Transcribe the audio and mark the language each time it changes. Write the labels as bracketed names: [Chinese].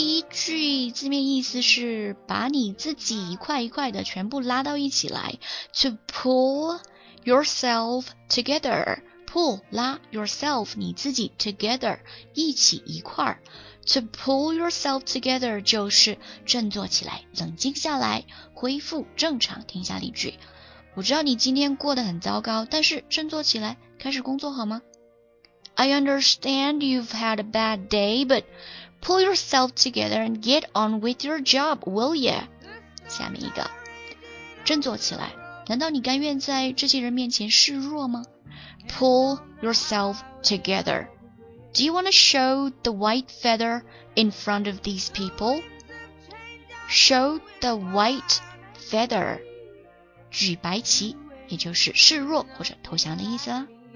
[Chinese] 句字面意思是把你自己一块一块的全部拉到一起来， [English] To pull yourself together， [Chinese] pull 拉 yourself 你自己 together 一起一块， To pull yourself together 就是振作起来，冷静下来，恢复正常。听下例句，我知道你今天过得很糟糕，但是振作起来开始工作好吗？ [English] I understand you've had a bad day butPull yourself together and get on with your job, will ya? [Chinese] 下面一个，振作起来，难道你甘愿在这些人面前示弱吗？ [English] Pull yourself together. Do you want to show the white feather in front of these people? Show the white feather. [Chinese] 举白旗，也就是示弱或者投降的意思啊。